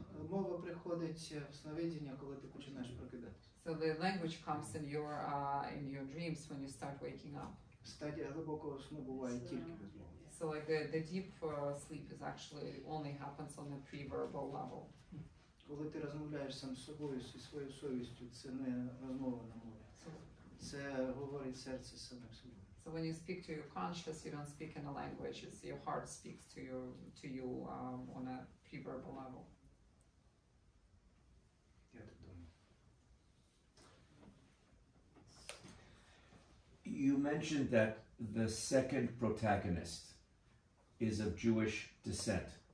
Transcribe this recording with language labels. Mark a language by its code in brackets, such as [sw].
[uk] Мова приходить в сновидіння, коли ти починаєш прокидатися. [en] So the language comes in your dreams when you start waking up. [uk] Стадія глибокого сну буває тільки без мови. [en] So like the deep sleep is actually only happens on the pre-verbal level. [uk] Коли ти розмовляєш сам з собою, зі своєю совістю, це не розмова на мові. Це говорить серце саме собою. [en] So when you speak to your conscience, you don't speak in a language. It's your heart speaks to you on a pre-verbal level. [uk] Я так думаю. [en] You mentioned that the second protagonist is of Jewish descent.